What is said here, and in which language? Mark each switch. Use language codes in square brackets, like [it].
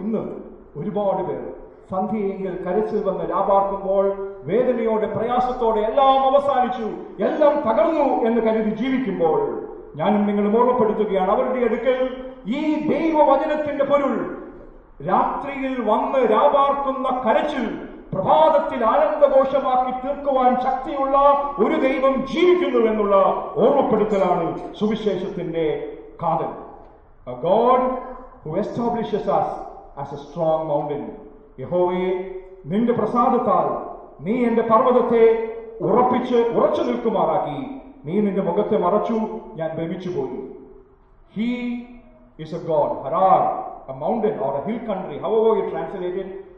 [ml] ഇന്ന് ഒരുപാട് പേർ സന്ധ്യയെങ്കിൽ കരച്ചിൽ വന്ന് രാപാർക്കുമ്പോൾ വേദനയോടെ പ്രയാസത്തോടെ എല്ലാം അവസാനിച്ചു, എല്ലാം തകർന്നു എന്ന് കരുതി ജീവിക്കുമ്പോൾ ഞാനും നിങ്ങളും ഓർമ്മപ്പെടുത്തുകയാണ്, അവരുടെ അടുക്കൽ ഈ ദൈവവചനത്തിന്റെ പൊരുൾ, രാത്രിയിൽ വന്ന് രാപാർക്കുന്ന കരച്ചിൽ പ്രഭാതത്തിൽ ആനന്ദഘോഷമാക്കി തീർക്കുവാൻ ശക്തിയുള്ള ഒരു ദൈവം ജീവിക്കുന്നു എന്നുള്ള ഓർമ്മപ്പെടുത്തലാണ് സുവിശേഷത്തിന്റെ കാതൽ. [en] A God who establishes us as a strong mountain. [ml] യഹോവേ നിന്റെ പ്രസാദത്താൽ നീ എന്റെ പർവ്വതത്തെ ഉറപ്പിച്ച് ഉറച്ചു നിൽക്കുമാറാക്കി. നീ നിന്റെ മുഖത്തെ മറച്ചു, ഞാൻ ഭ്രമിച്ചുപോയി. [en] He is a God, Harar, a mountain or a hill country, however you translate it.